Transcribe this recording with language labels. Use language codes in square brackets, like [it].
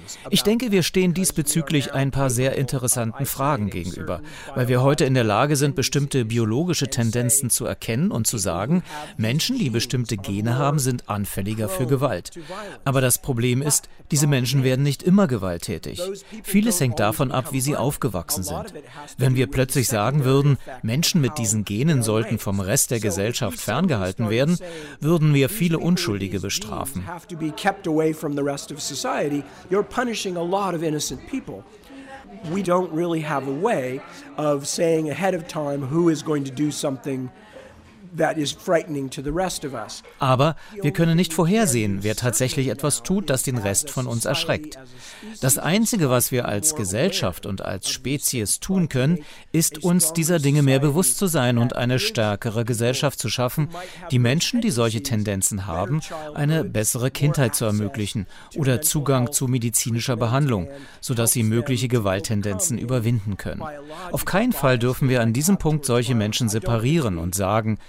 [de] Ich denke, wir stehen diesbezüglich ein paar sehr interessanten Fragen gegenüber, weil wir heute in der Lage sind, bestimmte biologische Tendenzen zu erkennen und zu sagen, Menschen, die bestimmte Gene haben, sind anfälliger für Gewalt. Aber das Problem ist, diese Menschen werden nicht immer gewalttätig. Vieles hängt davon ab, wie sie aufgewachsen sind. Wenn wir plötzlich sagen würden, Menschen mit diesen Genen sollten vom Rest der Gesellschaft ferngehalten werden, würden wir viele Unschuldige bestrafen. [en] To be kept away from the rest of society, you're punishing a lot of innocent people. We don't really have a way of saying ahead of time who is going to do something that is frightening to the rest of us. [de] Aber wir können nicht vorhersehen, wer tatsächlich etwas tut, das den Rest von uns erschreckt. Das Einzige, was wir als Gesellschaft und als Spezies tun können, ist, uns dieser Dinge mehr bewusst zu sein und eine stärkere Gesellschaft zu schaffen, die Menschen, die solche Tendenzen haben, eine bessere Kindheit zu ermöglichen oder Zugang zu medizinischer Behandlung, sodass sie mögliche Gewalttendenzen überwinden können. Auf keinen Fall dürfen wir an diesem Punkt solche Menschen separieren und sagen,